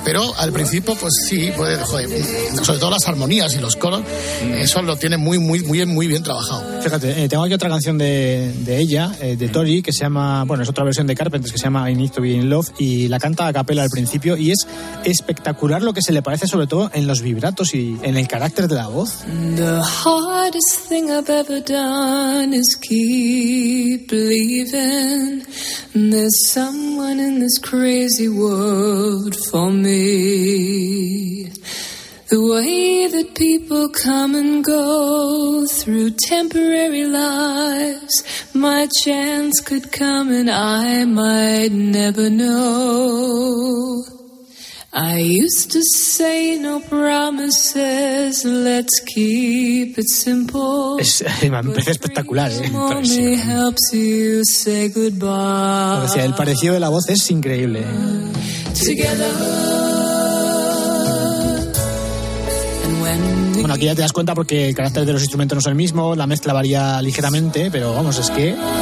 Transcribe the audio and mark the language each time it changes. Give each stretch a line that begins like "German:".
Spanish: Pero al principio, pues sí, puede, joder, sobre todo las armonías y los coros, eso lo tiene muy, muy, muy, muy bien trabajado. Fíjate, tengo aquí otra canción de ella, de Tori, que se llama, bueno, es otra versión de Carpenters, que se llama I Need to Be in Love, y la canta a capela al principio, y es espectacular lo que se le parece, sobre todo en los vibratos y en el carácter de la voz.
English: The hardest thing I've ever done is keep leaving. There's someone in this crazy world for me. The way that people come and go through temporary lives, my chance could come and I might never know. I used to say no promises, let's keep it simple.
Spanish: Es espectacular, ¿eh? Impresionante. O sea, el parecido de la voz es increíble.
English: Together.
Spanish: Bueno, aquí ya te das cuenta porque el carácter de los instrumentos no es el mismo, la mezcla varía ligeramente, pero vamos, es que...